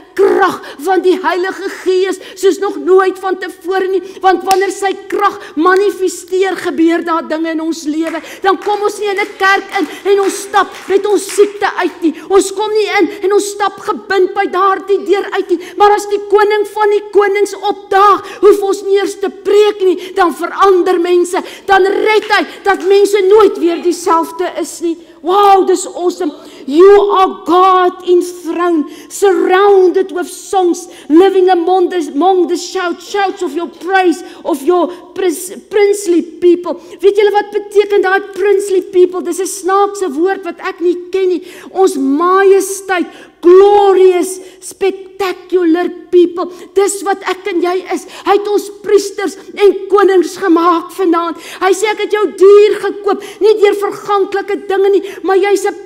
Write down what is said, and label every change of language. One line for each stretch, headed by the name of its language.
Afrikaans: krag van die Heilige Gees, soos nog nooit van tevore nie, want wanneer sy krag manifesteer, gebeur daar dinge in ons lewe, dan kom ons nie in die kerk in, en ons stap met ons siekte uit nie, ons kom nie in en ons stap gebind by daar die deur uit nie, maar as die koning van die konings opdaag, hoef ons nie eers te preek nie, dan verander mense, dan red hy, dat mense nooit weer dieselfde is nie. Wow, dis awesome.
English: You are God enthroned, surrounded with songs, living among the shouts of your praise, of your princely people.
Afrikaans: Weet julle wat beteken daai
English: princely people?
Afrikaans: Dis 'n snaakse woord wat ek nie ken nie. Ons majesteit,
English: glorious, spectacular people,
Afrikaans: dis wat ek en jy is, hy het ons priesters en konings gemaakt vanavond, hy sê ek het jou dier gekoop, nie dier verganklike dinge nie, maar jy is 'n